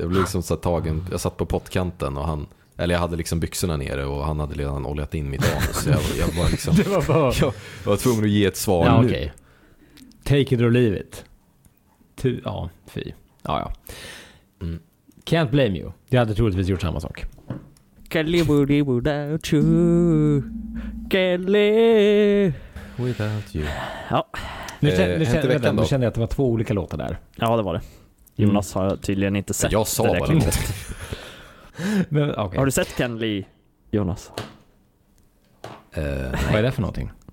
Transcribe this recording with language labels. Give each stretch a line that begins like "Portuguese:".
Swedish: Jag blev liksom så tagen. Jag satt på pottkanten och han, eller jag hade liksom byxorna nere och han hade redan oljat in mitt anus, så jag var liksom det var bara... jag var tvungen att ge ett svar. Ja, okay.
English: Take it or leave it.
Swedish: Ja, fy. Ja, ja.
English: Can't blame you.
Swedish: Jag hade troligtvis gjort samma sak.
English: Kelly Woody without you. Kelly without you.
Swedish: Ja. Nu kände jag att det var två olika låtar där. Ja, det var det. Jonas har tydligen inte sett. Jag sa det bara. Men, okay. Har du sett Kelly, Jonas? Vad är det för någonting?